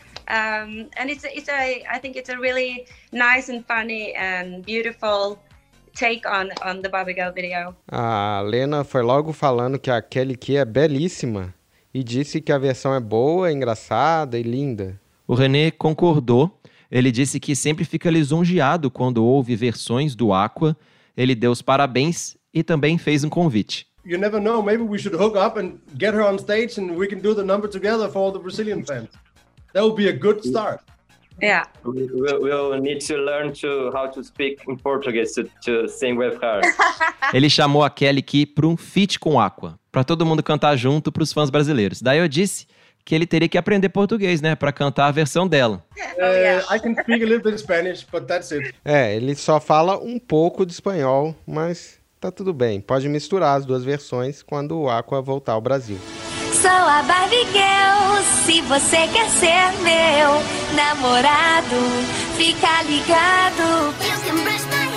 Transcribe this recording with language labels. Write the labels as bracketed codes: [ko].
[en] And I think it's a really nice and funny and beautiful take on the Barbie Girl video. [pt] A Lena foi logo falando que a Kelly Key é belíssima e disse que a versão é boa, engraçada e linda. O René concordou. Ele disse que sempre fica lisonjeado quando ouve versões do Aqua. Ele deu os parabéns e também fez um convite. [en] You never know, maybe we should hook up and get her on stage and we can do the number together for all the Brazilian fans. That would be a good start. Yeah. We'll need to learn how to speak in Portuguese to sing with her. [pt] Ele chamou a Kelly Key para um feat com o Aqua, para todo mundo cantar junto para os fãs brasileiros. Daí eu disse que ele teria que aprender português, né, para cantar a versão dela. [en] I can speak a little bit of Spanish, but that's it. [pt] É, ele só fala um pouco de espanhol, mas tá tudo bem. Pode misturar as duas versões quando o Aqua voltar ao Brasil. Sou a Barbie Girl, se você quer ser meu namorado, fica ligado.